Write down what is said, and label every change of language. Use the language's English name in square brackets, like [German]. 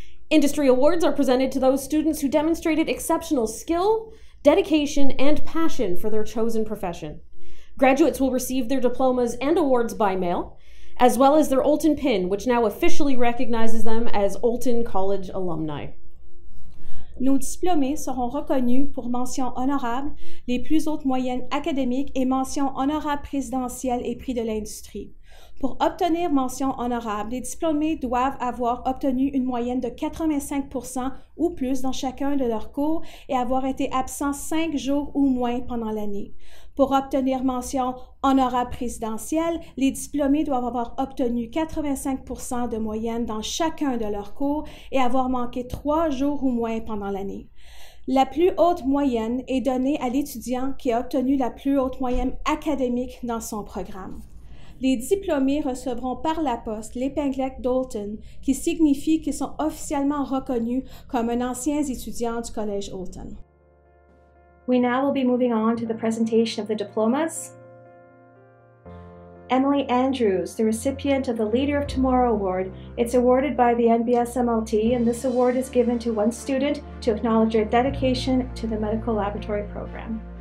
[English] Industry awards are presented to those students who demonstrated exceptional skill, dedication, and passion for their chosen profession. Graduates will receive their diplomas and awards by mail, as well as their Oulton pin, which now officially recognizes them as Oulton College alumni. [French] Nos diplômés seront reconnus pour mentions honorables, les plus hautes moyennes académiques et mentions honorables présidentielles et prix de l'industrie. Pour obtenir mention honorable, les diplômés doivent avoir obtenu une moyenne de 85% ou plus dans chacun de leurs cours et avoir été absent 5 jours ou moins pendant l'année. Pour obtenir mention honorable présidentielle, les diplômés doivent avoir obtenu 85% de moyenne dans chacun de leurs cours et avoir manqué 3 jours ou moins pendant l'année. La plus haute moyenne est donnée à l'étudiant qui a obtenu la plus haute moyenne académique dans son programme. Les diplômés recevront par la poste l'épinglette d'Oulton, qui signifie qu'ils sont officiellement reconnus comme un ancien étudiant du Collège Oulton. [English] We now will be moving on to the presentation of the diplomas. Emily Andrews, the recipient of the Leader of Tomorrow Award, it's awarded by the NBSMLT, and this award is given to one student to acknowledge their dedication to the medical laboratory program.